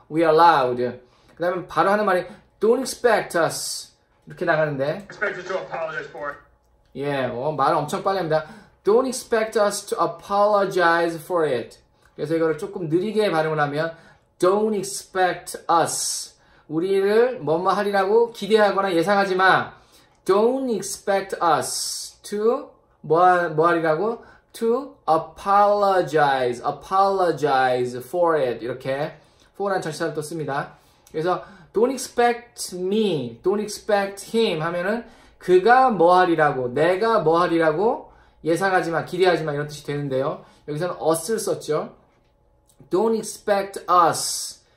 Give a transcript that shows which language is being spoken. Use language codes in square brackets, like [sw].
[en] We are loud. [ko] 그 다음에 바로 하는 말이 [en] Don't expect us. [ko] 이렇게 나가는데 [en] Expect us to apologize for. 예, yeah, [ko] 말 엄청 빨리 합니다. [en] Don't expect us to apologize for it. [ko] 그래서 이거를 조금 느리게 발음을 하면 [en] Don't expect us. [ko] 우리를 뭐뭐 하리라고 기대하거나 예상하지 마. [en] Don't expect us to [ko] 뭐 하리라고 [en] to apologize for it. [ko] 이렇게 for라는 전치사를 또 씁니다. 그래서 [en] don't expect me, don't expect him [ko] 하면은 그가 뭐 하리라고, 내가 뭐 하리라고 예상하지 마, 기대하지 마 이런 뜻이 되는데요. 여기서는 us를 썼죠. [en] Don't expect us.